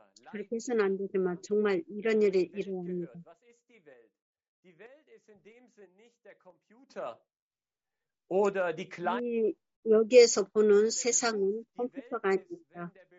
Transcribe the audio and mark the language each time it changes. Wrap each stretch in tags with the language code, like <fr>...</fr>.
<ko>그렇게 해서는 안 되지만 정말 이런 일이 일어납니다.</ko> <de>Was ist die Welt? Die Welt ist in dem Sinn nicht der Computer oder die Kleine.</de> <ko>여기에서 보는 세상은 컴퓨터가 아닙니다.</ko>